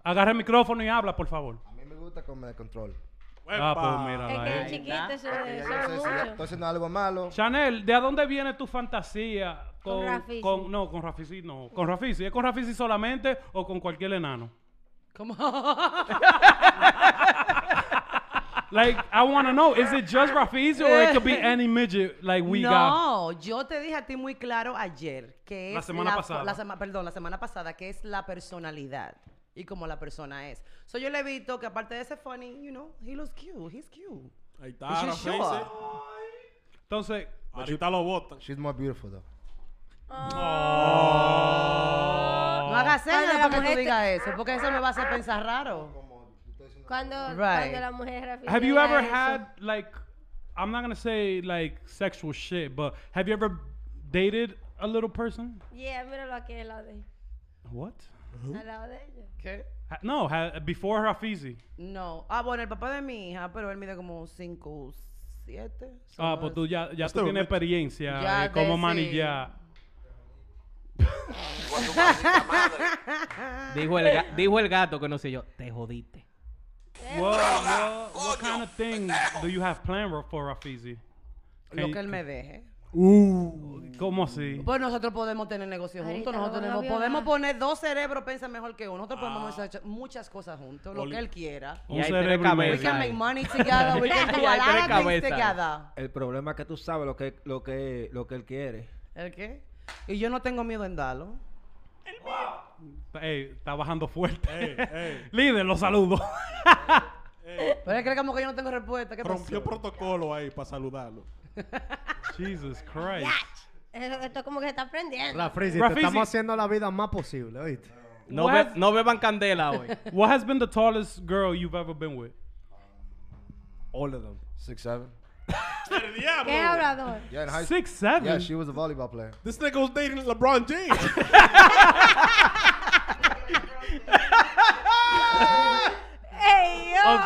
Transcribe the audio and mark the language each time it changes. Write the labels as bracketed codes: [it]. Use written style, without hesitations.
[es] Agarra el micrófono y habla, por favor. A mí me gusta con el control. ¡Epa! Ah, pues mira, es que es chiquito, eso es mucho. Estoy haciendo algo malo. Chanel, ¿de dónde viene tu fantasía? Con Rafisi. No, con Rafisi no. ¿Con Rafisi? ¿Es con Rafisi solamente o con cualquier enano? ¿Cómo? [en] Like, I want to know, is it just Rafisi or it could be any midget like we [es] no, [en] got? [es] No, yo te dije a ti muy claro ayer que es... La semana pasada, que es la personalidad. Y como la persona es. So yo le he visto que aparte de ese funny, [en] you know, he looks cute. He's cute. [es] Ahí está, Rafisi. Sure. Entonces, ahorita lo botan. [en] She's more beautiful, though. [es] No hagas eso para que tú digas eso, porque eso me va a hacer pensar raro. Cuando la mujer Rafisi. [en] Have you ever had, like, I'm not gonna say, like, sexual shit, but have you ever dated a little person? [es] Yeah, mira lo que es la de. [en] What? Uh-huh. Okay. No, before Rafisi. [es] No. Ah, bueno, el papá de mi hija, pero él mide como 5'6". 7. Ah, pues tú ya tú tienes experiencia ya como manager. dijo el gato que no sé yo, te jodiste. [en] What kind of thing do you have planned for Rafizi? [es] Que él me deje. ¿Cómo así? Pues nosotros podemos tener negocios juntos. Podemos poner dos cerebros, piensan mejor que uno. Nosotros podemos hacer muchas cosas juntos, lo que él quiera. Un cerebro. [en] We can make money together. We can do a lot of things together. [es] El problema es que tú sabes lo que él quiere. ¿El qué? Y yo no tengo miedo en darlo. El mío. Ey, está bajando fuerte. Hey. Líder, lo saludo. Pero es que como que yo no tengo respuesta. ¿Qué rompió protocolo ahí para saludarlo? [en] Jesus Christ. [es] Esto como que se está prendiendo. Rafizi, estamos haciendo la vida más posible, ¿oíste? No beban candela hoy. [en] What has been the tallest girl you've ever been with? All of them. 6'7". [es] ¡Qué hablador! [en] Yeah, 6'7"? Yeah, she was a volleyball player. This nigga was dating LeBron James. Hey, yo.